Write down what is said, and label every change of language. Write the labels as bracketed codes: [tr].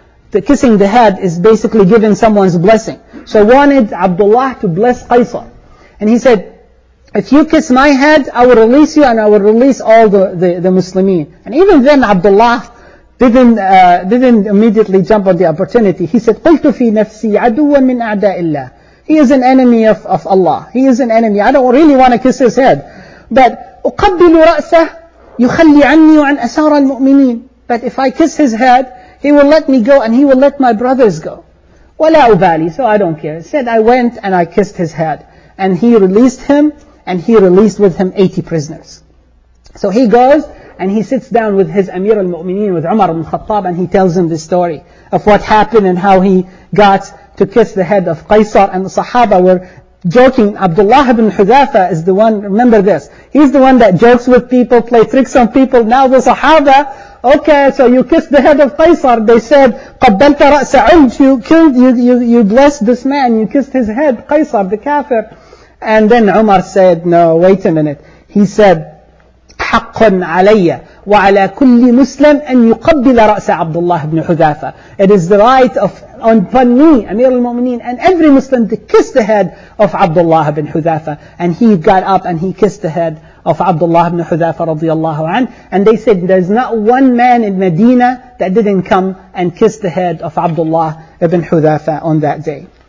[en] The kissing the head is basically giving someone's blessing. So wanted Abdullah to bless Qaisar. And he said, if you kiss my head, I will release you and I will release all the Muslimin. And even then Abdullah didn't immediately jump on the opportunity. He said, [ar] قُلْتُ فِي نَفْسِي عَدُوًا مِنْ أَعْدَاءِ اللَّهِ. [en] He is an enemy of Allah. He is an enemy. I don't really want to kiss his head. But [ar] أُقَبِّلُ رَأْسَهُ يُخَلِّي عَنِّي وَعَنْ أَسَارَ الْمُؤْمِنِينَ. [en] But if I kiss his head, he will let me go and he will let my brothers go. [ar] وَلَا أُبَالِي. [en] So I don't care. He said, I went and I kissed his head. And he released him. And he released with him 80 prisoners. So he goes and he sits down with his Amir al-Mu'mineen, with Umar al-Khattab, and he tells him the story of what happened and how he got to kiss the head of Qaisar. And the Sahaba were joking. Abdullah ibn Hudhafa is the one, remember this, he's the one that jokes with people, play tricks on people. Now the Sahaba, okay, so you kissed the head of Qaisar. They said, [ar] قَبَّلْتَ رَأْسَ عُنْجُ. [en] You blessed this man, you kissed his head, Qaisar the kafir. And then Umar said, no, wait a minute. He said, [ar] حَقٌ عَلَيَّ وَعَلَى كُلِّ مُسْلَمْ أَن يُقَبِّلَ رَأْسَ عَبْدُ اللَّهِ بْنُ حُذَافَ. [en] It is the right of upon me, Amir al-Mu'mineen, and every Muslim to kiss the head of Abdullah ibn Hudhafa. And he got up and he kissed the head of Abdullah ibn Hudhafa radiallahu anhu. And they said, there's not one man in Medina that didn't come and kiss the head of Abdullah ibn Hudhafa on that day.